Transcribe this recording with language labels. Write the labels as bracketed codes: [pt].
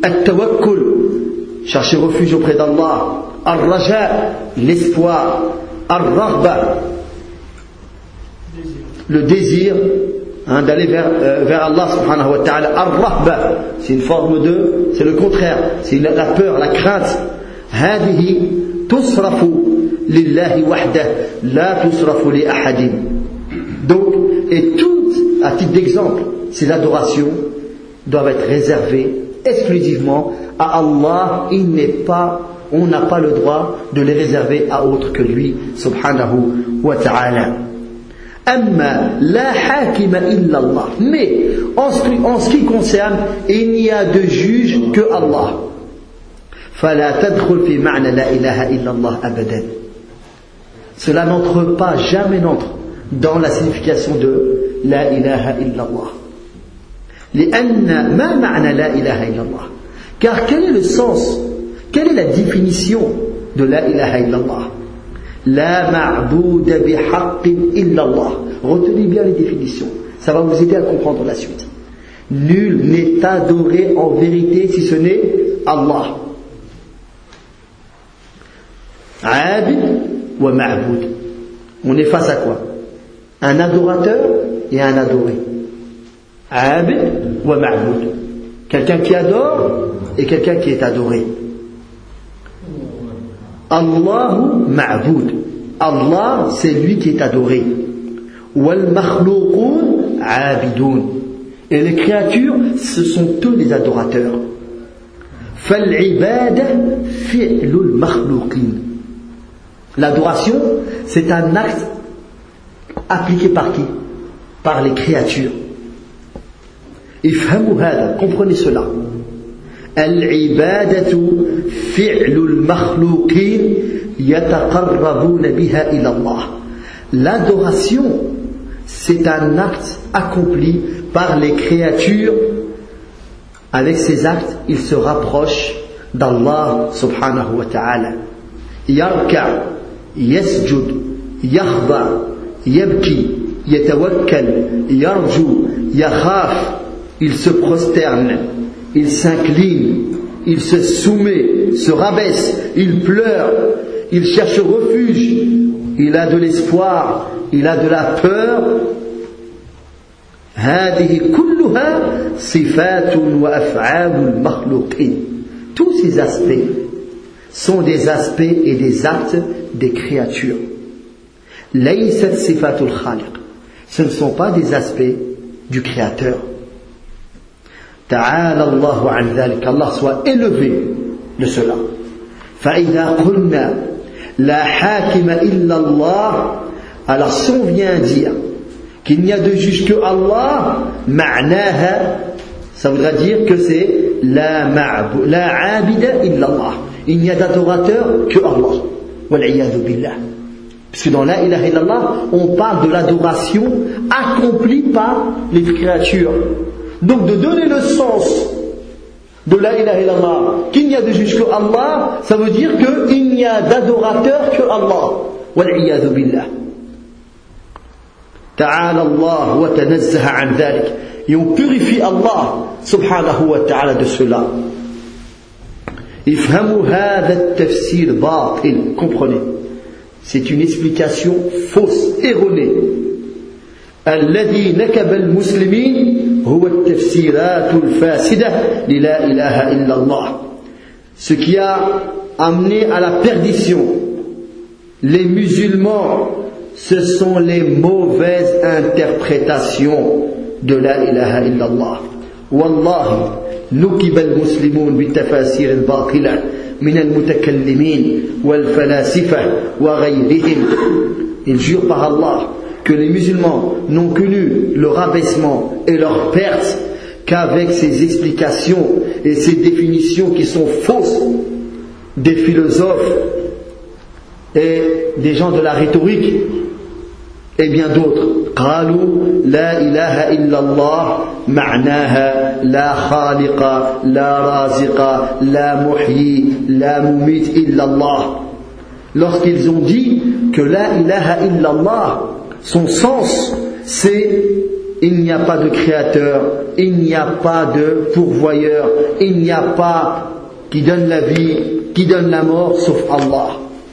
[fr] Al-tawakkul, chercher refuge auprès d'Allah. Ar-raja, l'espoir. Ar-raghba, le désir d'aller vers Allah subhanahu wa ta'ala. Ar-raghba, c'est une forme de, c'est le contraire, c'est la peur, la crainte. [ar] هذه تصرف لله وحده لا تصرف لأحد. [fr] Donc, et toutes, à titre d'exemple, ces adorations doivent être réservées exclusivement à Allah. Il n'est pas, on n'a pas le droit de les réserver à autre que lui, subhanahu [ar] وتعالى. أما لا حاكم إلا الله. [fr] Mais en ce qui concerne, il n'y a de juge que Allah. [ar] فلا تدخل في معنى لا إله إلا الله أبدا. [fr] Cela n'entre pas, jamais n'entre dans la signification de [ar] لا إله إلا الله. لأن ما معنى لا إله إلا الله. [fr] Car quel est le sens, quelle est la définition de [ar] لا إله إلا الله. لا معبود بحق إلا الله. [fr] Retenez bien les définitions, ça va vous aider à comprendre la suite. Nul n'est adoré en vérité si ce n'est Allah. [ar] عابد ومعبود. [fr] On est face à quoi? Un adorateur et un adoré. [ar] عابد ومعبود. [fr] Quelqu'un qui adore et quelqu'un qui est adoré. [ar] الله معبود. [fr] Allah, c'est lui qui est adoré. [ar] والمخلوقون عابدون. [fr] Et les créatures, ce sont tous les adorateurs. [ar] فالعبادة فعل المخلوقين. [fr] L'adoration, c'est un acte appliqué par qui? Par les créatures. [ar] افهموا هذا. [fr] Comprenez cela. [ar] العبادة فعل المخلوقين يتقربون بها إلى الله. [fr] L'adoration, c'est un acte accompli par les créatures. Avec ces actes, ils se rapprochent d'Allah subhanahu wa ta'ala. [ar] يركع يسجد يخضع يبكي يتوكل يرجو يخاف. [fr] Il se prosterne, il s'incline, il se soumet, se rabaisse, il pleure, il cherche refuge, il a de l'espoir, il a de la peur. [ar] هذه كلها صفات وأفعال المخلوقين. [fr] Tous ces aspects sont des aspects et des actes des créatures. [ar] ليست صفات الخالق. [fr] Ce ne sont pas des aspects du Créateur. [ar] تعالى الله عن ذلك. [fr] Allah soit élevé de cela. [ar] فإذا قلنا لا حاكم إلا الله. [fr] Alors si on vient dire qu'il n'y a de juge que Allah, [ar] معناها, [fr] ça voudra dire que c'est [ar] لا عابد إلا الله. [fr] Il n'y a d'adorateur que Allah. [ar] والعياذ بالله. [fr] Parce que dans [ar] لا إله إلا الله, [fr] on parle de l'adoration accomplie par les créatures. Donc de donner le sens de [ar] la ilaha illallah, [fr] qu'il n'y a de juge que Allah, ça veut dire qu'il n'y a d'adorateur que Allah. [ar] Wal'iyadu billah. Ta'ala Allah wa tanazzaha an dhalik. [fr] Et on purifie Allah subhanahu wa ta'ala de cela. [ar] Ifhamu hadha tafsir batil. [fr] Comprenez. C'est une explication fausse, erronée. [ar] الذي نكب المسلمين هو التفسيرات الفاسدة للا إله إلا الله. [fr] Ce qui a amené à la perdition les musulmans, ce sont les mauvaises interprétations de la [ar] إله إلا الله. والله نكب المسلمون بالتفاسير الباطلة من المتكلمين والفلاسفة وغيرهم. [fr] Ils jurent par Allah que les musulmans n'ont connu le rabaissement et leur perte qu'avec ces explications et ces définitions qui sont fausses des philosophes et des gens de la rhétorique et bien d'autres. [ar] قالوا لا إله إلا الله معناها لا خالق لا رازق لا محيي لا مميت إلا الله. [fr] Lorsqu'ils ont dit que [ar] لا إله إلا الله, [fr] son sens, c'est il n'y a pas de créateur, il n'y a pas de pourvoyeur, il n'y a pas qui donne la vie, qui donne la mort, sauf Allah.